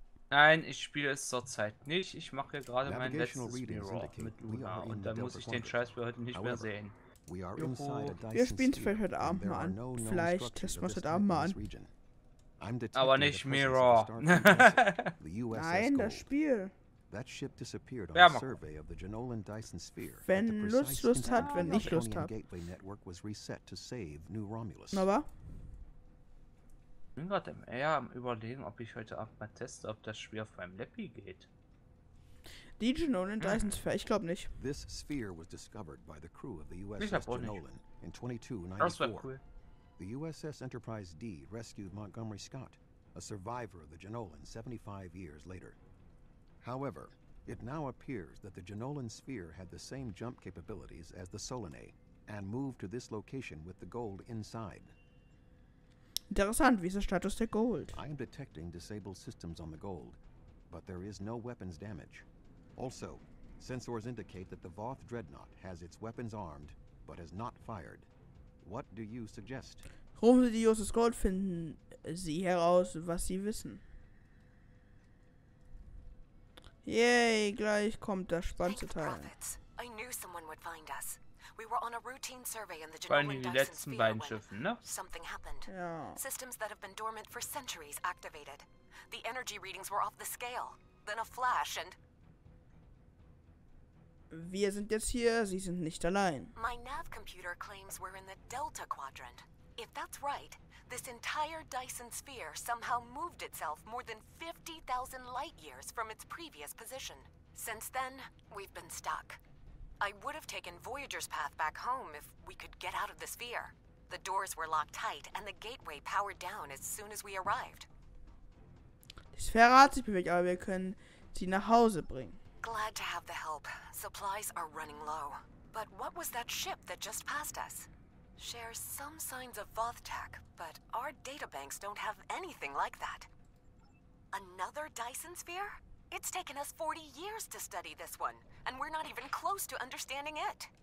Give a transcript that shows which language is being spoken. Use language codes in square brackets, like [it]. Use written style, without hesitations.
[de] Nein, ich spiele es zurzeit nicht. Ich mache hier gerade mein letztes Mirror mit Luna und dann muss ich den Scheiß für heute nicht mehr sehen. Wir spielen es vielleicht heute Abend mal an. Vielleicht testen wir es heute Abend mal an. Aber nicht Mirror. Nein, das Spiel. [en] That ship disappeared on a survey of the [de] Genolan Dyson sphere. Wenn Lust hat, wenn ich Lust habe. [en] Gateway network was reset to save New Romulus. Na, [de] ich bin gerade eher am überlegen, ob ich heute Abend mal teste, ob das Spiel auf meinem Leppi geht. Die Genolan Dyson Sphere, ich glaube nicht. [en] This sphere was discovered by the crew of the USS Genolan in 2294. The USS Enterprise D rescued Montgomery Scott, a survivor of the Genolan 75 years later. However, it now appears that the Genolan sphere had the same jump capabilities as the Solanae and moved to this location with the gold inside. [de] Interessant, wie ist der Status der Gold? [en] I am detecting disabled systems on the gold, but there is no weapons damage. Also, sensors indicate that the Voth dreadnought has its weapons armed, but has not fired. What do you suggest? [de] Rufen Sie die USS Gold, finden Sie heraus, was Sie wissen. Yay, gleich kommt der spannende Teil. [en] I knew someone would find us. We were on a routine survey in the Genolan Dyson Sphere. Something happened. Ja. Systems that have been dormant for centuries activated. The energy readings were off the scale. Then a flash and [de] wir sind jetzt hier, Sie sind nicht allein. [en] My nav computer claims we're in the Delta quadrant. If that's right, this entire Dyson sphere somehow moved itself more than 50,000 light years from its previous position. Since then, we've been stuck. I would have taken Voyager's path back home if we could get out of the sphere. The doors were locked tight and the gateway powered down as soon as we arrived. [de] Die Sphäre hat sich bewegt, aber wir können sie nach Hause bringen. [en] Glad to have the help. Supplies are running low. But what was that ship that just passed us? Shares some signs of Voth tech, but our databanks don't have anything like that. Another Dyson sphere? It's taken us 40 years to study this one, and we're not even close to understanding it.